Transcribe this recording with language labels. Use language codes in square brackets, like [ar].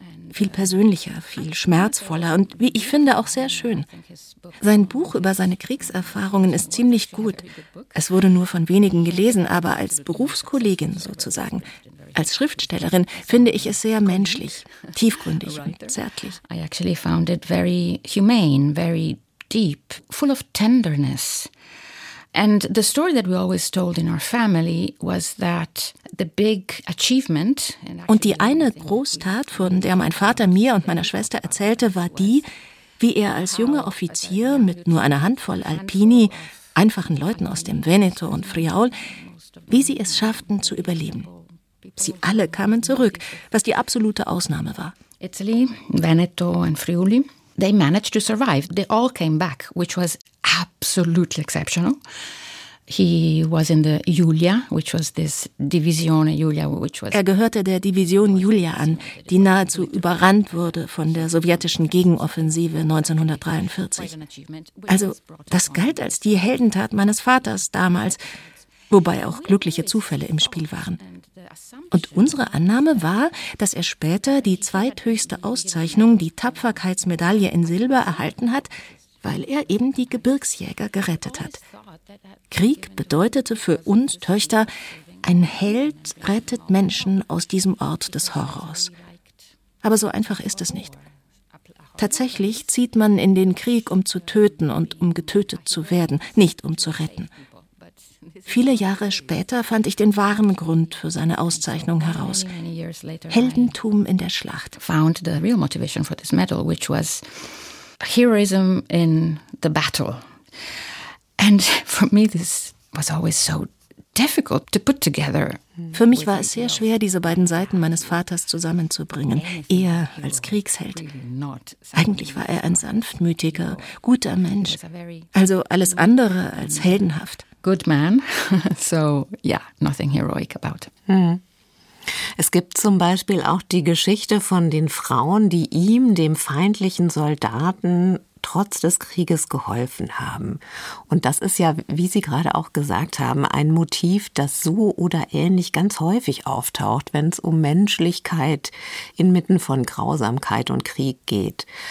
[de] Viel persönlicher, viel schmerzvoller und, wie ich finde, auch sehr schön. Sein Buch über seine Kriegserfahrungen ist ziemlich gut. Es wurde nur von wenigen gelesen, aber als Berufskollegin sozusagen, als Schriftstellerin, finde ich es sehr menschlich, tiefgründig und zärtlich. [en] I actually found it very humane, very deep, full of tenderness. And the story that we always told in our family was that the big achievement. [de] Und die eine Großtat, von der mein Vater mir und meiner Schwester erzählte, war die, wie er als junger Offizier mit nur einer Handvoll Alpini, einfachen Leuten aus dem Veneto und Friaul, wie sie es schafften zu überleben. Sie alle kamen zurück, was die absolute Ausnahme war. [en] Italy, Veneto and Friuli, they managed to survive. They all came back, which was absolutely exceptional. He was in the Julia, which was this Divisione Julia, which was. [de] Er gehörte der Division Julia an, die nahezu überrannt wurde von der sowjetischen Gegenoffensive 1943. Also, das galt als die Heldentat meines Vaters damals, wobei auch glückliche Zufälle im Spiel waren. Und unsere Annahme war, dass er später die 2. Auszeichnung, die Tapferkeitsmedaille in Silber, erhalten hat, weil er eben die Gebirgsjäger gerettet hat. Krieg bedeutete für uns Töchter, ein Held rettet Menschen aus diesem Ort des Horrors. Aber so einfach ist es nicht. Tatsächlich zieht man in den Krieg, um zu töten und um getötet zu werden, nicht um zu retten. Viele Jahre später fand ich den wahren Grund für seine Auszeichnung heraus. Heldentum in der Schlacht. [en] Found the real motivation for this medal, which was heroism in the battle. And for me this was always so difficult to put together. [de] Für mich war es sehr schwer, diese beiden Seiten meines Vaters zusammenzubringen. Er als Kriegsheld. Eigentlich war er ein sanftmütiger, guter Mensch. Also alles andere als heldenhaft. [en] Good man. So, yeah, nothing heroic about. [de] Es gibt zum Beispiel auch die Geschichte von den Frauen, die ihm, dem feindlichen Soldaten, trotz des Krieges geholfen haben. Und das ist ja, wie Sie gerade auch gesagt haben, ein Motiv, das so oder ähnlich ganz häufig auftaucht, wenn es um Menschlichkeit inmitten von Grausamkeit und Krieg geht.